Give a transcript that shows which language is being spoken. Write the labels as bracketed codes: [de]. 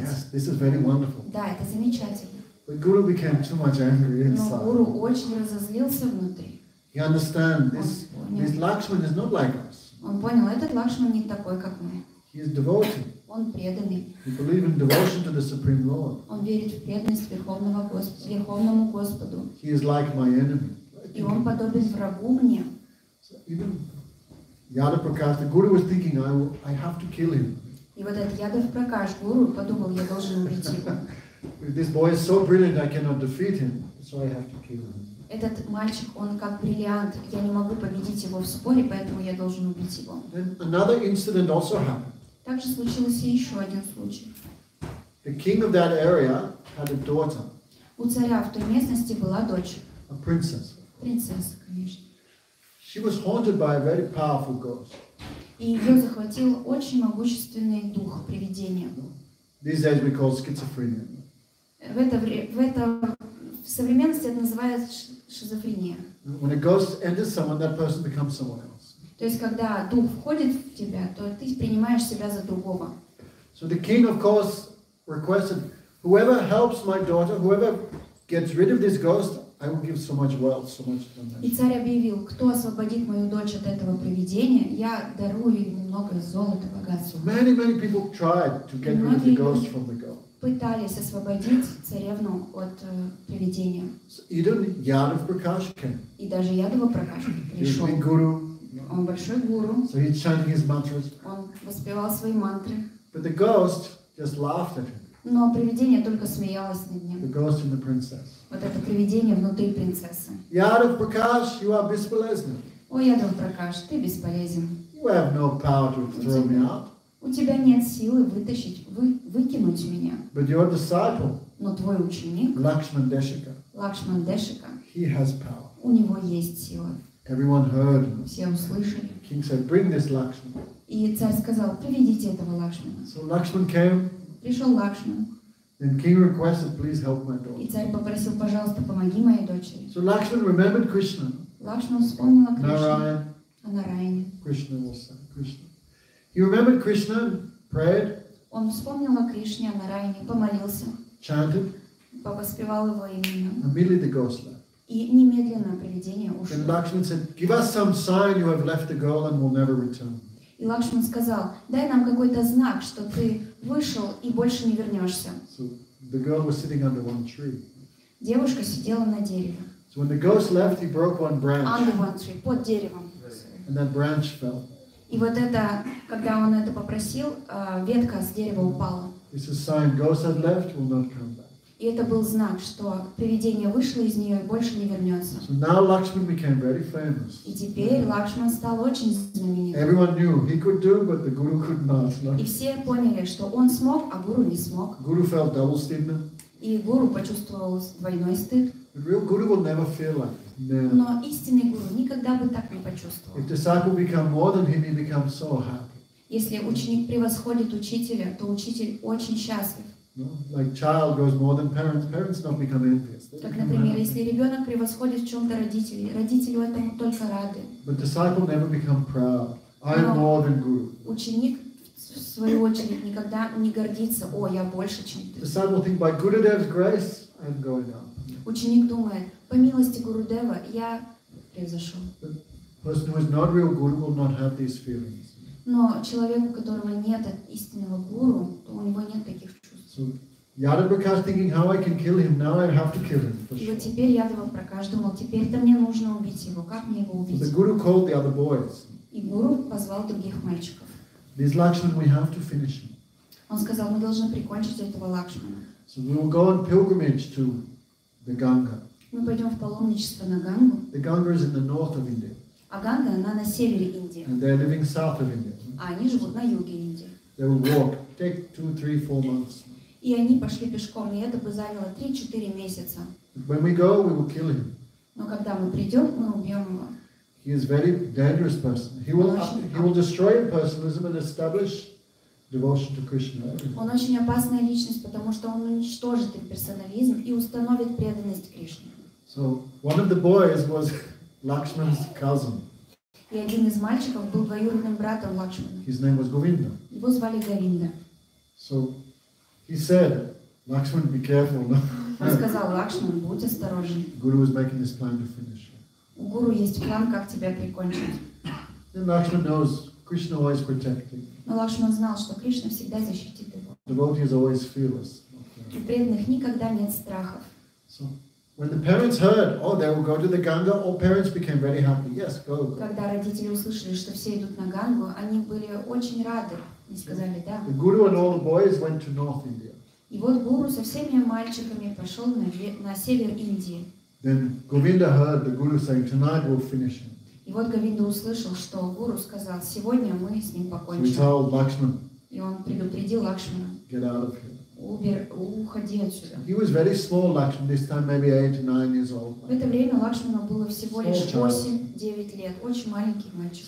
[en] Yes, this is very wonderful. [ru] Да, это замечательно. [en] But Guru became too much angry inside. [ru] Но Гуру очень разозлился внутри. [en] He understand this. This Lakshman is not like us. [ru] Он понял, этот Лакшман не такой, как мы. [en] He is devoted. [ru] Он преданный. [en] He believes in devotion to the Supreme Lord. [ru] Он верит в преданность Верховному Господу. [en] He is like my enemy. [ru] И он подобен врагу мне. [en] Even Yadav Prakash, the Guru was thinking, I have to kill him. [ru] И вот этот Yadav Prakash, Guru, подумал, я должен убить его. [en] This boy is so brilliant, I cannot defeat him, so I have to kill him. [ru] Этот мальчик, он как бриллиант, я не могу победить его в споре, поэтому я должен убить его. [en] Then another incident also happened. [ru] Также случился еще один случай. [en] The king of that area had a daughter. [ru] У царя в той местности была дочь. [en] A princess. [ru] Принцесса, конечно. [en] She was haunted by a very powerful ghost. [ru] И ее захватил очень могущественный дух, привидение. [en] These days we call schizophrenia. [ru] В современности это называют шизофрения. [en] When a ghost enters someone, that person becomes someone else. [ru] То есть когда дух входит в тебя, то ты принимаешь себя за другого. [en] So the king, of course, requested, "Whoever helps my daughter, whoever gets rid of this ghost, I will give so much wealth, so much donation." [ru] И царь объявил: кто освободит мою дочь от этого привидения, я дарую ему много золота, богатства. [en] Many, many people tried to get rid of the ghost from the girl. [ru] Пытались освободить царевну от привидения. [en] Even Yadav Prakash came. [ru] И даже Yadav Prakash пришел. [en] He's a guru. [ru] Он большой гуру. [en] So he's chanting his mantras. [ru] Он воспевал свои мантры. [en] But the ghost just laughed at him. [ru] Но привидение только смеялось над ним. [en] The ghost and the princess. [ru] Вот это привидение внутри принцессы. [en] Yadav Prakash, you are [ru] бесполезен. О, Yadav Prakash, ты бесполезен. [en] You have no power to throw me out. [ru] У тебя нет силы выкинуть меня. [en] But your disciple. [ru] Но твой ученик. [en] Lakshman Deshika. [ru] Lakshman Deshika. [en] He has power. [ru] У него есть сила. [en] Everyone heard. [ru] Все услышали. [en] King said, "Bring this Lakshman." [ru] И царь сказал: приведите этого Лакшмана. [en] So Lakshman came. [ru] Пришел Лакшман. [en] Then king requested, "Please help my daughter." [ru] И царь попросил: пожалуйста, помоги моей дочери. [en] So Lakshman remembered Krishna. [ru] Лакшман вспомнил Кришну. [en] Narayan. [ru] О Нараяне. [en] Krishna also. Krishna. He remembered Krishna, prayed. [ru] Он вспомнил о Кришне, о Нараяне, помолился. [en] Chanted. [ru] Повоспевал его имя. [en] Immediately the ghost left. [ru] И немедленно привидение ушло. [en] Then Lakshman said, "Give us some sign you have left the girl and will never return." [ru] И Лакшман сказал: дай нам какой-то знак, что ты вышел и больше не вернешься. [en] So the girl was sitting under one tree. [ru] Девушка сидела на дереве. [en] So when the ghost left, he broke one branch. Under one tree, [ru] под деревом. [en] And that branch fell. [ru] И вот это, когда он это попросил, ветка с дерева упала. [en] It's a sign ghost had left, will not come back. [ru] И это был знак, что привидение вышло из нее и больше не вернется. [en] So now Lakshman became very famous. [ru] И теперь Лакшман стал очень знаменитым. [en] Everyone knew he could do, but the guru could not. [ru] И все поняли, что он смог, а гуру не смог. [en] Guru felt double stigma. [ru] И гуру почувствовал двойной стыд. [en] The real guru will never feel like this. [ru] Но истинный гуру никогда бы так не почувствовал. [en] If disciple become more than him, he becomes so happy. [ru] Если ученик превосходит учителя, то учитель очень счастлив. [en] No? Like child goes more than parents. Parents don't become envious. [ru] Как, например, если ребенок превосходит в чем-то родителей, родители этому только рады. [en] But disciple never become proud. I'm more than guru. [ru] Ученик в свою очередь никогда не гордится: о, я больше, чем ты. [en] Disciple think by Gurudev's grace I'm going up. [ru] Ученик думает: по милости Гурудева я превзошел. [en] Person who is not real guru will not have these feelings. [ru] Но человек, у которого нет истинного гуру, то у него нет таких чувств. [en] So, Yadav Prakash thinking how I can kill him, now I have to kill him. [ru] И вот теперь Yadav Prakash думал: теперь-то мне нужно убить его. Как мне его убить? [en] So the guru called the other boys. [ru] И гуру позвал других мальчиков. [en] This Lakshman, we have to finish him. [ru] Он сказал: мы должны прикончить этого Лакшмана. [en] So we will go on pilgrimage to the Ganga. [ru] Мы пойдем в паломничество на Гангу. [en] The Ganga is in the north of India. [ru] А Ганга, она на севере Индии. [en] And they're living south of India. [ru] А они живут на юге Индии. [en] They will walk. Take 2-3-4 months. [ru] И они пошли пешком, и это бы заняло 3-4 месяца. [en] When we go, we will kill him. [ru] Но когда мы придем, мы убьем его. [en] He is a very dangerous person. He will destroy impersonalism and establish devotion to Krishna. [ru] Он очень опасная личность, потому что он уничтожит имперсонализм и установит преданность Кришне. [en] So one of the boys was Lakshman's cousin. [ru] И один из мальчиков был двоюродным братом Лакшмана. [en] His name was Govinda. [ru] Его звали Говинда. [en] So he said, Lakshman, be careful. [ru] Он сказал: Лакшман, будь осторожен. [en] Guru was making his plan to finish. [ru] У гуру есть план, как тебя прикончить. [en] Then Lakshman knows Krishna always protecting. [ru] Но Лакшман знал, что Кришна всегда защитит его. [en] Devotee is always fearless. [ru] У преданных никогда нет страхов. [en] So when the parents heard, oh, they will go to the Ganga, all parents became very happy. Yes, go. [ru] Когда родители услышали, что все идут на Гангу, они были очень рады. И сказали: да. [en] The guru and all the boys went to North India. [ru] И вот гуру со всеми мальчиками пошел на север Индии. [en] Then Govinda heard the guru saying, "Tonight we'll finish him." [ru] И вот Говинда услышал, что гуру сказал: сегодня мы с ним покончим. [en] So he told Lakshman. [ru] И он предупредил Лакшмана. [en] Get out of here. [ru] Уходи отсюда. [en] He was very small, Lakshman. This time, maybe 8 or 9 years old. [ru] В это время Лакшмана было всего лишь 8-9 лет, очень маленький мальчик.